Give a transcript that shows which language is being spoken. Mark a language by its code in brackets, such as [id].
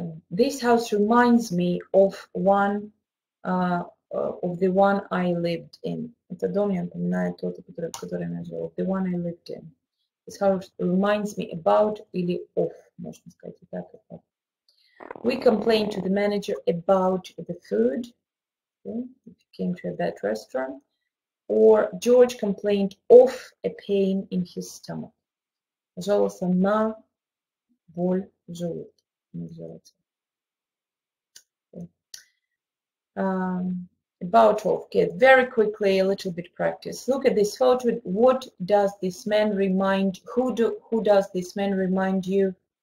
[en] This house reminds me of one of the one I lived in. [ru] Это дом, я напоминаю тот, который я жил. [en] The one I lived in. This house reminds me about или of. [ru] Можно сказать и так, и так. [en] We complained to the manager about the food, okay, if you came to a bad restaurant, or George complained of a pain in his stomach. [ru] Пожалуйста, на боль в желудке. [en] About of, okay, very quickly, a little bit practice. Look at this photo. What does this man remind, who does this man remind you?